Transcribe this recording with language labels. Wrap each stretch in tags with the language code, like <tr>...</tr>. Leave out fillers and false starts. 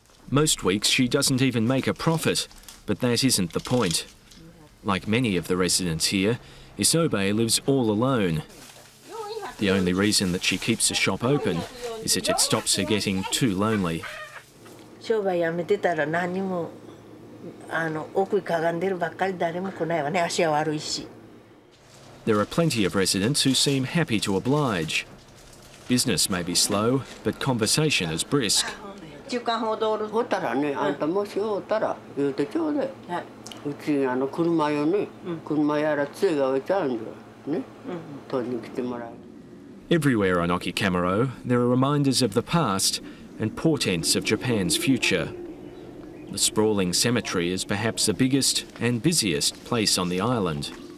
<en>Most weeks she doesn't even make a profit, but that isn't the point. Like many of the residents here, Isobe lives all alone. The only reason that she keeps the shop open is that it stops her getting too lonely.</en> <ja>商売やめてたら何にも奥にかがんでるばっかり誰も来ないわね、足は悪いし。</ja> <en>There are plenty of residents who seem happy to oblige. Business may be slow, but conversation is brisk.</en> <ja>時間ほどおったらね、あんたもしおったら言うてちょうだい。うちに車よね、車やら杖が置いちゃうんだよね、取りに来てもらう。</ja> <en>Everywhere on Okikamuro, there are reminders of the past and portents of Japan's future. The sprawling cemetery is perhaps the biggest and busiest place on the island.</en>